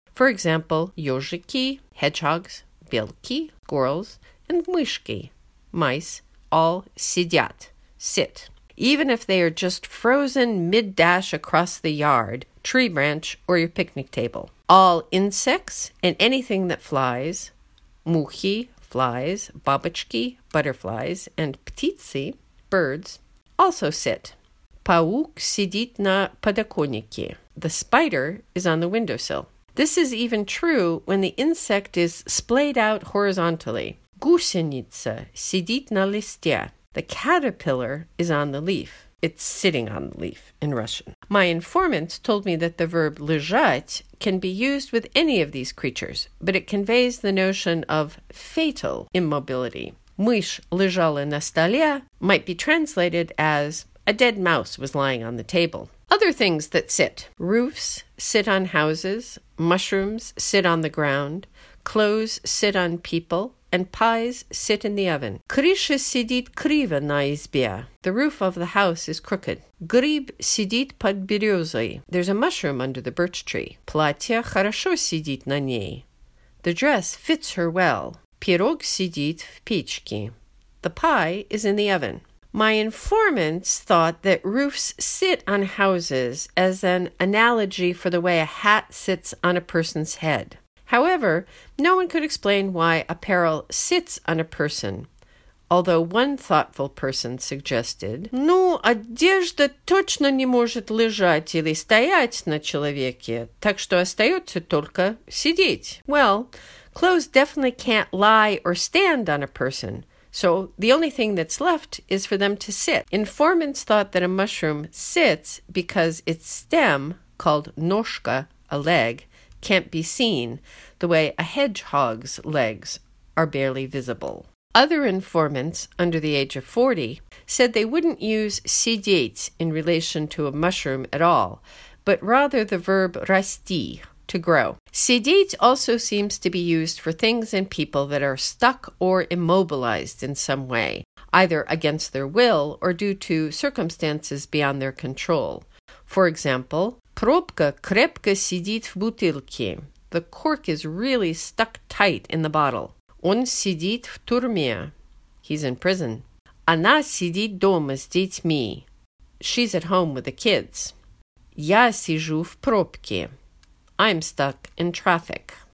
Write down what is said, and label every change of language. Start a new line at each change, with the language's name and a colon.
English: For example, ёжики, hedgehogs, белки, squirrels, and мышки, mice, all сидят, sit, even if they are just frozen mid-dash across the yard, tree branch, or your picnic table. All insects and anything that flies, мухи, flies, бабочки, butterflies, and птицы, birds, also sit.
Russian: Паук сидит на подоконнике.
English: The spider is on the windowsill. This is even true when the insect is splayed out horizontally.
Russian: Гусеница сидит на листе.
English: The caterpillar is on the leaf. It's sitting on the leaf in Russian. My informant told me that the verb лежать can be used with any of these creatures, but it conveys the notion of fatal immobility.
Russian: Мышь лежала на столе
English: might be translated as a dead mouse was lying on the table. Other things that sit. Roofs sit on houses, mushrooms sit on the ground, clothes sit on people, and pies sit in the oven.
Russian: Криша сидит криво на избе.
English: The roof of the house is crooked.
Russian: Гриб сидит под березой.
English: There's a mushroom under the birch tree.
Russian: Платье хорошо сидит на ней.
English: The dress fits her well.
Russian: Пирог сидит в печке.
English: The pie is in the oven. My informants thought that roofs sit on houses as an analogy for the way a hat sits on a person's head. However, no one could explain why apparel sits on a person, although one thoughtful person suggested,
Russian: Ну, одежда точно не может лежать или стоять на человеке, так что остается только сидеть.
English: Well, clothes definitely can't lie or stand on a person, so the only thing that's left is for them to sit. Informants thought that a mushroom sits because its stem, called ножка, a leg, can't be seen, the way a hedgehog's legs are barely visible. Other informants, under the age of 40, said they wouldn't use сидеть in relation to a mushroom at all, but rather the verb расти, to grow. Сидеть also seems to be used for things and people that are stuck or immobilized in some way, either against their will or due to circumstances beyond their control. For example,
Russian: Пробка крепко сидит в бутылке.
English: The cork is really stuck tight in the bottle.
Russian: Он сидит в тюрьме.
English: He's in prison.
Russian: Она сидит дома с детьми.
English: She's at home with the kids.
Russian: Я сижу в пробке.
English: I'm stuck in traffic.